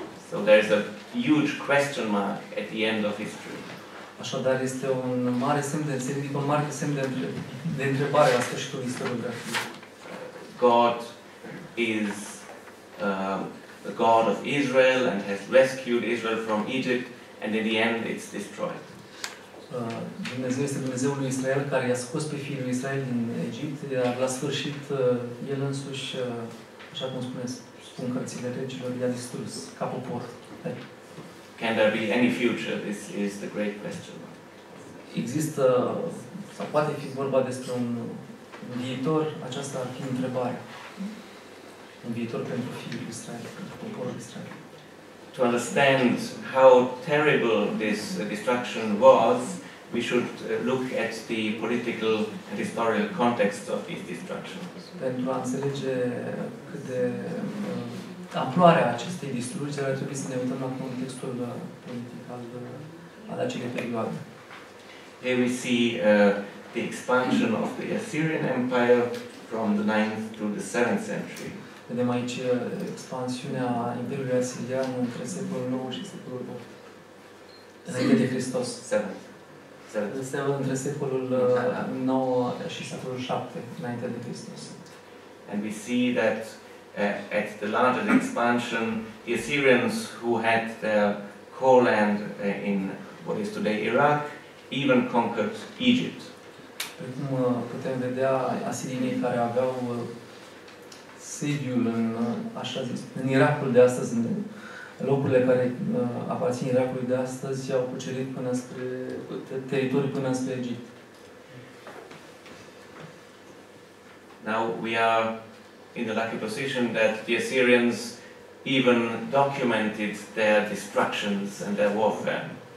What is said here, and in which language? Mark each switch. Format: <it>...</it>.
<en>So there is a huge question mark at the end of history.</en> <ro>Așadar este un mare semn de întrebare, un mare semn de întrebare la sfârșitul istoriografiei.</ro> <en>God is the God of Israel and has rescued Israel from Egypt, and in the end it's destroyed.</en> <ro>Dumnezeu este Dumnezeul lui Israel care i-a scos pe fiul lui Israel din Egipt, iar la sfârșit el însuși, așa cum spun cărțile regilor, i-a distrus ca popor.</ro> <en>Can there be any future? This is the great question.</en> <ro>Există sau poate fi vorba despre un viitor? Aceasta ar fi întrebarea. Un viitor pentru fiul lui Israel, pentru poporul Israel.</ro> <en>To understand how terrible this destruction was, we should look at the political and historical context of these destructions.</en> <ro>Pentru a înțelege cât de amploarea acestei distrugeri, ar trebui să ne uităm la contextul politic al acelei perioade.</ro> <en>Here we see the expansion of the Assyrian Empire from the 9th to the 7th century.</en> <ro>Vedem aici expansiunea Imperiului Asirian între secolul 9 și secolul 8. Înainte de Hristos. 7. Între secolul 9 și secolul 7, înainte de Hristos.</ro> <en>And we see that at the larger expansion, the Assyrians who had their core land in what is today Iraq, even conquered Egypt.</en> <ro>Precum putem vedea, asirienii care aveau sediul în, așa zis, în Irakul de astăzi, în locurile care aparțin Irakului de astăzi, au cucerit până spre teritoriul până spre Egipt.</ro> <en>Now we are in the lucky position that the Assyrians even documented their destructions and their warfare.</en>